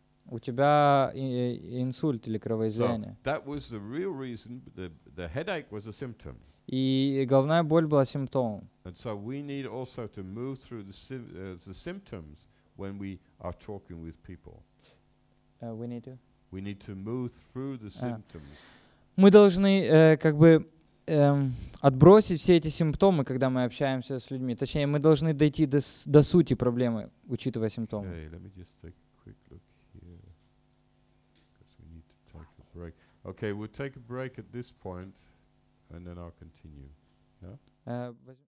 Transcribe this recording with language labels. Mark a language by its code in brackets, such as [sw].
[ru] У тебя инсульт или кровоизлияние. [en] So that was the real reason. The headache was a symptom. [ru] И головная боль была симптомом. [en] And so we need also to move through the symptoms when we are talking with people. We need to move through the symptoms. [ru] Мы должны отбросить все эти симптомы, когда мы общаемся с людьми. Точнее, мы должны дойти до сути проблемы, учитывая симптомы. [en] Okay, let me just take a quick look here. Because we need to take a break. Okay, we'll take a break at this point. And then I'll continue. Yeah?